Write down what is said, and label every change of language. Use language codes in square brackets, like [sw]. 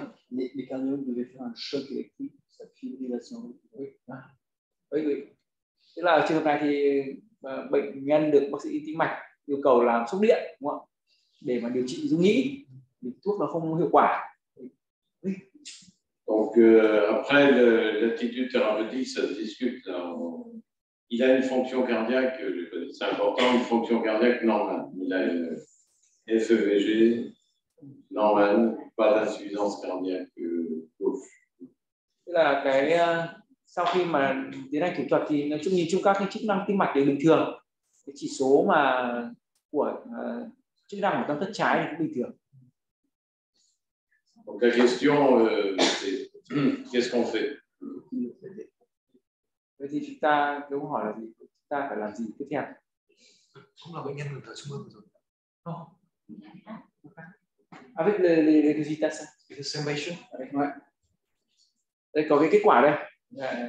[fr] Les cardiologues devaient faire un choc électrique, sa fibrillation. Oui. [vi] Tức là trường hợp này thì bệnh nhân được bác sĩ tim mạch yêu cầu làm sốc điện đúng không? Để mà điều trị dung nhĩ, thuốc nó không hiệu quả. [fr] Donc après le, l'attitude thérapeutique, ça se discute. Il a une fonction cardiaque, c'est important, une fonction cardiaque normale. Il a une FEVG normale, pas d'insuffisance cardiaque gauche. [vi] Là cái sau khi mà tiến hành thủ thuật thì nói chung nhìn chung các cái chức năng tim mạch đều bình thường, cái chỉ số mà của chức năng của tâm thất trái thì cũng bình thường. [fr] Donc la question c'est qu'est-ce qu'on fait? [vi] Vậy thì chúng ta câu hỏi là gì? Chúng ta phải làm gì tiếp theo? Không là bệnh nhân ngừng thở trung ương rồi. [fr] Avec les résultats. Avec les simulations. Avec moi. [vi] Đây có cái kết quả đây.